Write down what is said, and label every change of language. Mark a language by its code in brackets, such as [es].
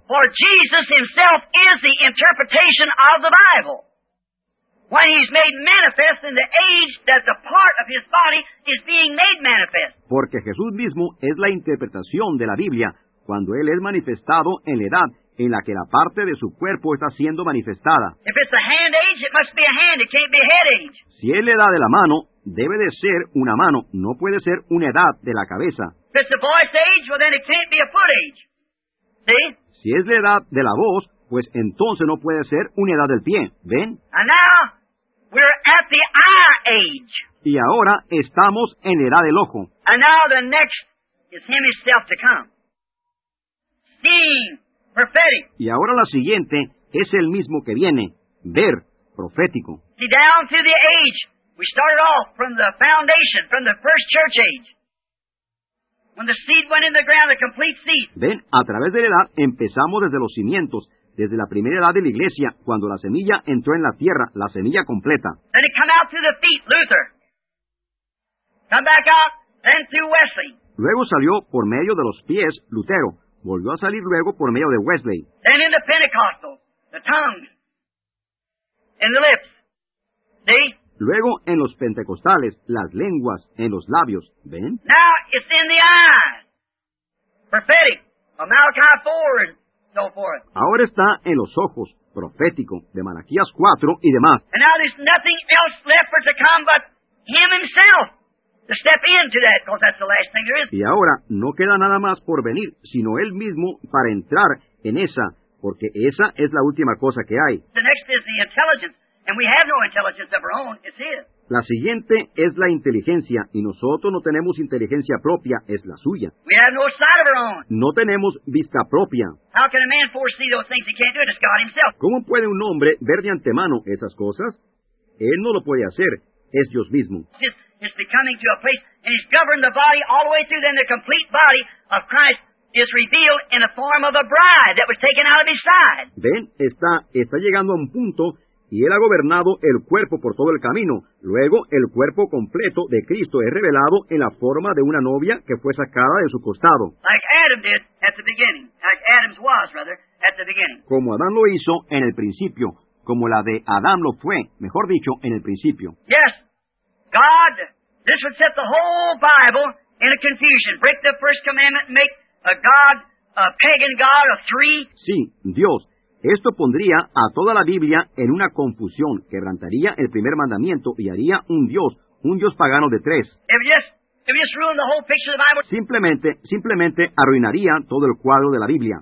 [en] For Jesus himself is the interpretation of the Bible. When he's made manifest in the age that the part of his body is being made manifest. [es] Porque Jesús mismo es la interpretación de la Biblia cuando él es manifestado en la edad en la que la parte de su cuerpo está siendo manifestada. [en] If it's a hand age, it must be a hand. It can't be a head age. [es] Si es la edad de la mano, debe de ser una mano. No puede ser una edad de la cabeza. [en] If it's a voice age, well then it can't be a foot age. See? [es] Si es la edad de la voz, pues entonces no puede ser una edad del pie. ¿Ven? [en] And now, we're at the eye age. [es] Y ahora estamos en edad del ojo. [en] And now the next is him himself to come. Seeing, prophetic. [es] Y ahora la siguiente es el mismo que viene. Ver, profético. [en] See, down to the age. We started off from the foundation, from the first church age. When the seed went in the ground, the complete seed. [es] Ven, a través de la edad empezamos desde los cimientos, desde la primera edad de la iglesia, cuando la semilla entró en la tierra, la semilla completa. [en] Then it come out to the feet, Luther. Come back out, then to Wesley. [es] Luego salió por medio de los pies, Lutero. volvió a salir luego por medio de Wesley. [en] Then in the Pentecostals, the tongues and the lips. See? [es] Luego en los pentecostales, las lenguas en los labios. ¿Ven? [en] Now it's in the eyes. Prophetic. Of Malachi 4 and so forth. [es] Ahora está en los ojos, profético, de Malaquías 4 y demás. [en] And now there's nothing else left for to come but him himself. To step into that, because that's the last thing there is. [es] Y ahora no queda nada más por venir, sino él mismo para entrar en esa, porque esa es la última cosa que hay. [en] The next is the intelligence, and we have no intelligence of our own. It's his. [es] La siguiente es la inteligencia, y nosotros no tenemos inteligencia propia, es la suya. [en] We have no sight of our own. [es] No tenemos vista propia. [en] How can a man foresee those things he can't do? It's God himself. [es] ¿Cómo puede un hombre ver de antemano esas cosas? Él no lo puede hacer, es Dios mismo. [en] It's becoming to a place, and he's governed the body all the way through. Then the complete body of Christ is revealed in the form of a bride that was taken out of his side. [es] Ven, está llegando a un punto, y él ha gobernado el cuerpo por todo el camino. Luego, el cuerpo completo de Cristo es revelado en la forma de una novia que fue sacada de su costado. [en] Like Adam did at the beginning, like Adam's was rather at the beginning. [es] Como Adán lo hizo en el principio, como la de Adán lo fue, mejor dicho, en el principio. [en] Yes. God, this would set the whole Bible in a confusion. Break the first commandment and make a God, a pagan God of three. [es] Sí, Dios. Esto pondría a toda la Biblia en una confusión. Quebrantaría el primer mandamiento y haría un Dios pagano de tres. It would just ruin the whole picture of the Bible. Simplemente arruinaría todo el cuadro de la Biblia.